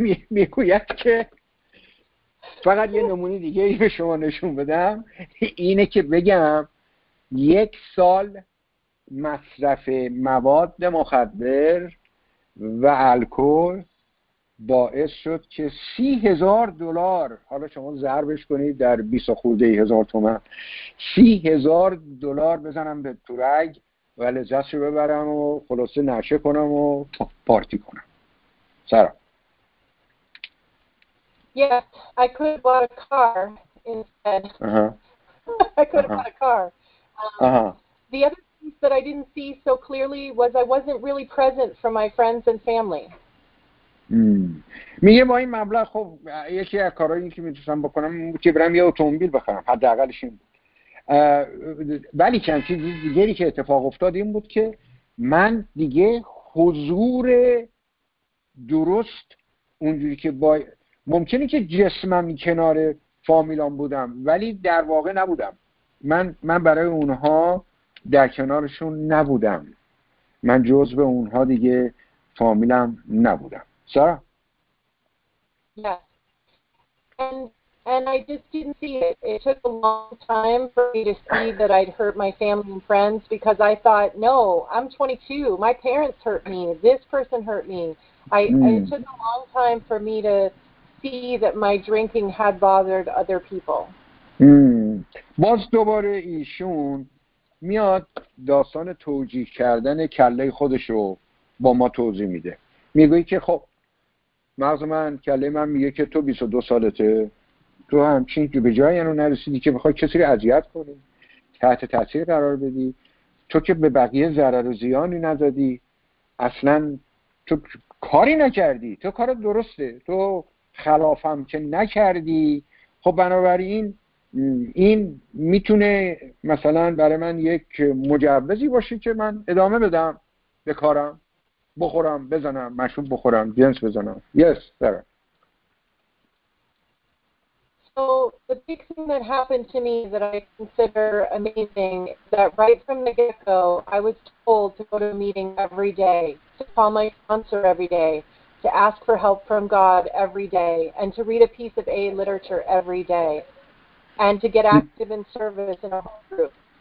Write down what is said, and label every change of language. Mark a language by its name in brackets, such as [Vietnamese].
[Persian] میگوید که فقط یه نمونه دیگه به شما نشون بدم، اینه که بگم 1 سال مصرف مواد مخدر و الکل باعث شد که $30,000، حالا شما ضربش کنید در 20 خورده‌ای هزار تومان، $30,000 بزنم به تورگ و لذتش رو ببرم و خلاصه نشه کنم و پارتی کنم. سلام. [English] Yes, I could have bought a car instead. Uh-huh. I could have bought a car. Uh-huh. The other things that I didn't see so clearly was I wasn't really present for my friends and family. [Persian] میگه ما این مبلغ، خب یکی از کارهایی که میتونستم بکنم که برم یه اتومبیل بخرم، حداقلش این بود، ولی چند چیز دیگری که اتفاق افتاد این بود که من دیگه حضور درست اونجوری که با ممکنه که جسمم کنار فامیلان بودم ولی در واقع نبودم، من برای اونها در کنارشون نبودم، من جزء اونها دیگه فامیلم نبودم. [English] Sarah? Yes. And I just didn't see it. It took a long time for me to see that I'd hurt my family and friends because I thought, no, I'm 22. My parents hurt me. This person hurt me. It took a long time for me to see that my drinking had bothered other people. [Persian] باز دوباره ایشون میاد داستان توجیه کردن کله خودشو با ما توضیح میده. میگوی که خب مغز من، کله من میگه که تو 22 سالته، تو همچین که به جایی اینو نرسیدی که بخوای کسی رو اذیت کنی، تحت تاثیر قرار بدی، تو که به بقیه ضرر و زیانی نزدی، اصلا تو کاری نکردی، تو کار درسته، تو خلافم که نکردی، خب بنابراین این میتونه مثلا برای من یک مجوزی باشه که من ادامه بدم به کارم، بخورم، بزنم، مشروب بخورم، جنس بزنم. [English] Yes, sir. So the big thing that happened to me that I consider amazing that right from the get-go I was told to go to a meeting every day, to call my sponsor every day, to ask for help from God every day, and to read a piece of AA literature every day, and to get active in service in a home group.